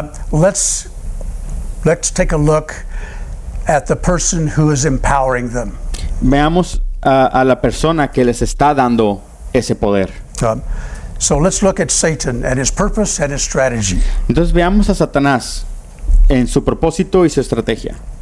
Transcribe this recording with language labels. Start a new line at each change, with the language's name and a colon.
English: let's take a look at the person who is empowering them.
Spanish: Veamos a la persona que les está dando ese poder.
English: So let's look at Satan and his purpose and his strategy.
Spanish: Entonces veamos a Satanás en su propósito y su estrategia.